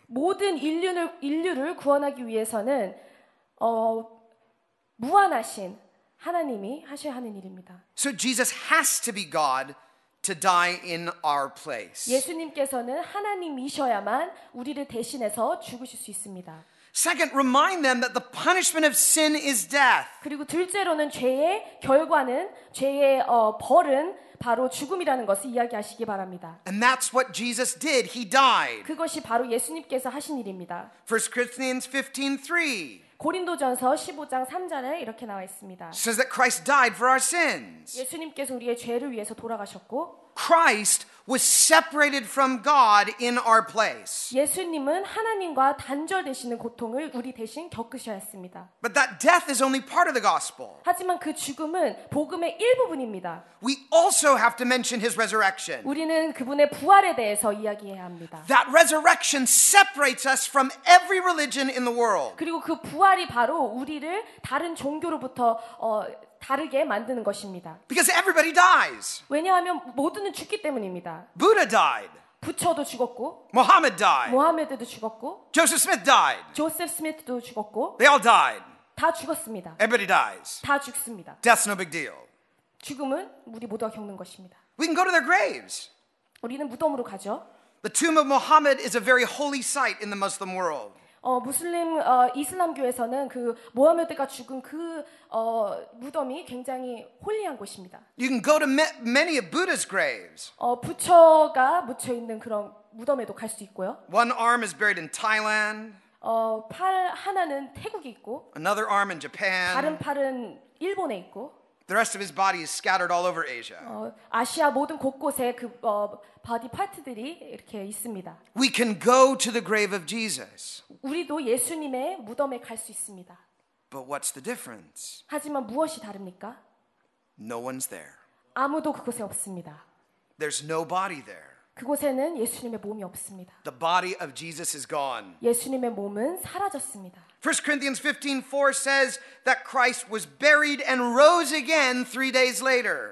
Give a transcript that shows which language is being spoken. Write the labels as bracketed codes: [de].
[ko] 모든 인류를 구원하기 위해서는 무한하신 하나님이 하셔야 하는 일입니다. [en] So Jesus has to be God to die in our place. [ko] 예수님께서는 하나님이셔야만 우리를 대신해서 죽으실 수 있습니다. [en] Second, remind them that the punishment of sin is death. [ko] 그리고 둘째로는 죄의 결과는 죄의 벌은 바로 죽음이라는 것을 이야기하시기 바랍니다. [en] And that's what Jesus did. He died. [ko] 그것이 바로 예수님께서 하신 일입니다. [en] 1 Corinthians 15:3. [ko] 고린도전서 15장 3절에 이렇게 나와 있습니다. [en] Says that Christ died for our sins. [ko] 예수님께서 우리의 죄를 위해서 돌아가셨고 [en] Christ was separated from God in our place. [ko] 예수님은 하나님과 단절되시는 고통을 우리 대신 겪으셨습니다. [en] But that death is only part of the gospel. [ko] 하지만 그 죽음은 복음의 일부분입니다. [en] We also have to mention his resurrection. [ko] 우리는 그분의 부활에 대해서 이야기해야 합니다. [en] That resurrection separates us from every religion in the world. [ko] 그리고 그 부활이 바로 우리를 다른 종교로부터 다르게 만드는 것입니다. [en] Because everybody dies. [ko] 왜냐하면 모두는 죽기 때문입니다. [en] Buddha died. [ko] 부처도 죽었고. [en] Muhammad died. [ko] 모하메드도 죽었고. [en] Joseph Smith died. [ko] 조셉 스미스도 죽었고. [en] They all died. [ko] 다 죽었습니다. [en] Everybody dies. [ko] 다 죽습니다. [en] Death's no big deal. [ko] 죽음은 우리 모두가 겪는 것입니다. [en] We can go to their graves. [ko] 우리는 무덤으로 가죠. [en] The tomb of Muhammad is a very holy site in the Muslim world. [ko] 무슬림 이슬람교에서는 그 모하메드가 죽은 그 무덤이 굉장히 홀리한 곳입니다. [en] You can go to many of Buddha's graves. [ko] 부처가 묻혀 있는 그런 무덤에도 갈 수 있고요. [en] One arm is buried in Thailand. [ko] 팔 하나는 태국에 있고. [en] Another arm in Japan. [ko] 다른 팔은 일본에 있고. [en] The rest of his body is scattered all over Asia. [ko] 아시아 모든 곳곳에 그 바디 파트들이 이렇게 있습니다. [en] We can go to the grave of Jesus. [ko] 우리도 예수님의 무덤에 갈 수 있습니다. [en] But what's the difference? [ko] 하지만 무엇이 다릅니까? [en] No one's there. [ko] 아무도 그곳에 없습니다. [en] There's no body there. [ko] 그곳에는 예수님의 몸이 없습니다. [en] The body of Jesus is gone. [ko] 예수님의 몸은 사라졌습니다. [en] 1 Corinthians 15:4 says that Christ was buried and rose again 3 days later.